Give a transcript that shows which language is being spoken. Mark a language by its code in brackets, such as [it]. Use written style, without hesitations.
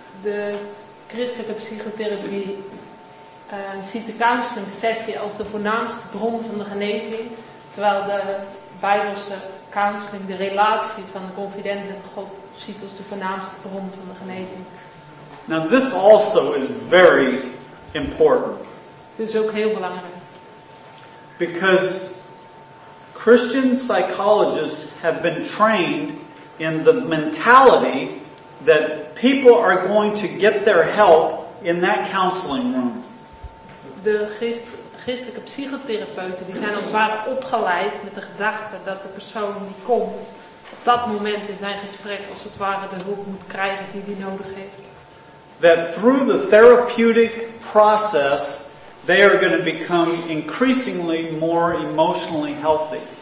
[nl] De christelijke psychotherapie ziet de counseling sessie als de voornaamste bron van de genezing, terwijl de Bijbelse counseling de relatie van de confident met God ziet als de voornaamste bron van de genezing. [en] Now this also is very important. [nl] Dit is ook heel belangrijk. [en] Because Christian psychologists have been trained in the mentality that people are going to get their help in that counseling room. [nl] De christelijke psychotherapeuten die zijn als het ware opgeleid met de gedachte dat de persoon die komt op dat moment in zijn gesprek als het ware de hulp moet krijgen die hij nodig heeft. [en] That through the therapeutic process they are going to become increasingly more emotionally healthy.